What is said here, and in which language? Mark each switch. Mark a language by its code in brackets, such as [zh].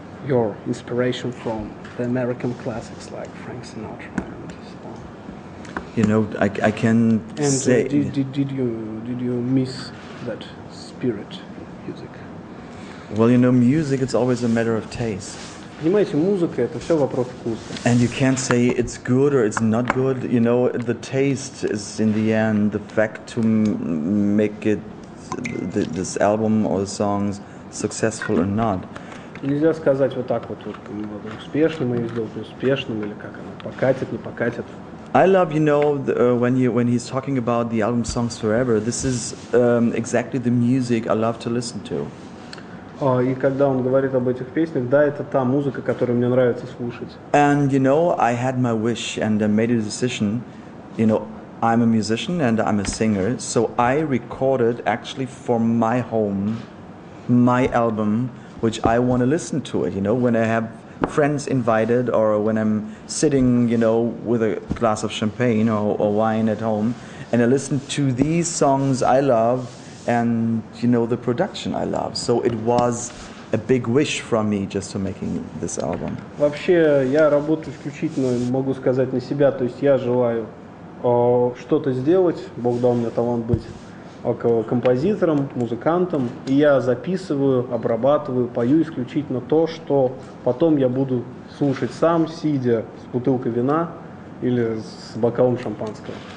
[en] your inspiration from the American classics like Frank Sinatra and so on? You know, I can and say. And did you miss that spirit music? Well, you know, music, it's always a matter of taste. [ru] Понимаете, музыка это все вопрос вкуса. [en] And you can't say it's good or it's not good. You know, the taste is in the end the fact to make it this album or the songs successful or not. [ru] Нельзя сказать вот так вот, успешным мы сделали, успешным или как оно покатит, не покатит. [en] I love, you know, when he's talking about the album Songs Forever. This is exactly the music I love to listen to. [ru] И когда он говорит об этих песнях, да, это та музыка, которую мне нравится слушать. [en] And you know, I had my wish and I made a decision. You know, I'm a musician and I'm a singer, so I recorded actually for my home, my album, which I want to listen to it. You know, when I have friends invited or when I'm sitting, you know, with a glass of champagne or wine at home, and I listen to these songs I love. And you know the production I love, so it was a big wish from me just to making this album. [ru] Вообще я работаю исключительно, могу сказать, на себя, то есть я желаю что-то сделать. Бог дал мне талант быть композитором, музыкантом, и я записываю, обрабатываю, пою исключительно то, что потом я буду слушать сам, сидя с бутылкой вина или с бокалом шампанского.